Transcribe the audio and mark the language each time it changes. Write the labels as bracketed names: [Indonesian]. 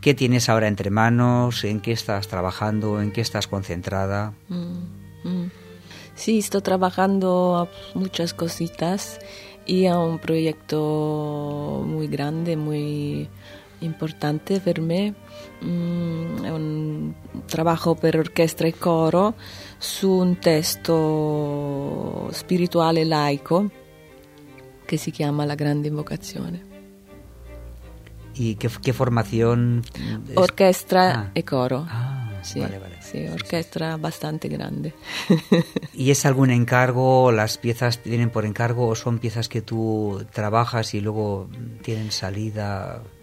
[Spanish] ¿Qué tienes ahora entre manos? ¿En qué estás trabajando? ¿En qué estás concentrada? Sí, estoy trabajando muchas cositas y a un proyecto muy grande, muy importante verme. [Italian] Un trabajo per orchestra e coro su un testo spirituale laico che si chiama La grande invocazione. E che formazione? Orchestra e coro. [Spanish] Ah, sì, vale, vale. [Italian] Sì, orchestra abbastanza grande. [Spanish] ¿Y es algún encargo? ¿Las piezas tienen por encargo o son piezas que tú trabajas y luego tienen salida?